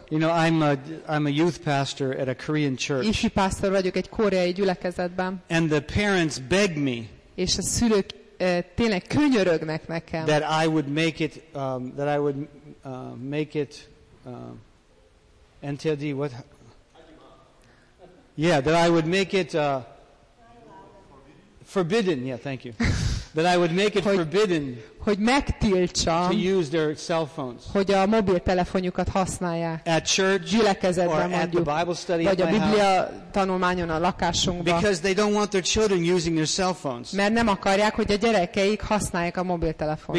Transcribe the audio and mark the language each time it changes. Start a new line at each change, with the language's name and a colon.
English: You know, I'm a youth pastor at a Korean church.
Hungarian: Ifi pásztor vagyok egy koreai gyülekezetben.
English: And the parents beg me.
Hungarian: És a szülők tényleg könyörögnek nekem.
English: That I would make it that I would make it NTLD, what? Yeah, that I would make it forbidden. Yeah, thank you. That I would make it forbidden.
Hungarian: Hogy megtiltsam,
English: to use their cell phones.
Hungarian: Hogy a mobiltelefonjukat használják.
English: At church,
Hungarian: gyülekezetben
English: or
Hungarian: mondjuk,
English: at the Bible study
Hungarian: vagy
English: at
Hungarian: a Biblia
English: house.
Hungarian: Tanulmányon a lakásunkban.
English: Because they don't want their children using their cell phones.
Hungarian: Mert nem akarják, hogy a gyerekeik használják a mobiltelefont.